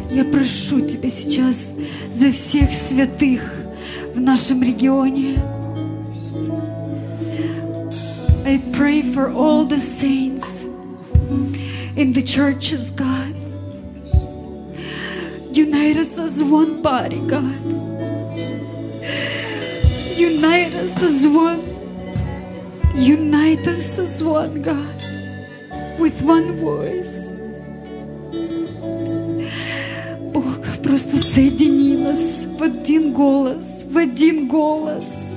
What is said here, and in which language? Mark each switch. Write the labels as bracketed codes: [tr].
[ru] прошу Тебя сейчас за всех святых в нашем регионе. [en] I pray for all the saints in the churches, God. Unite us as one body, God. Unite us as one. Unite us as one, God, with one voice. [ru] Бог, просто соедини нас в один голос, в один голос.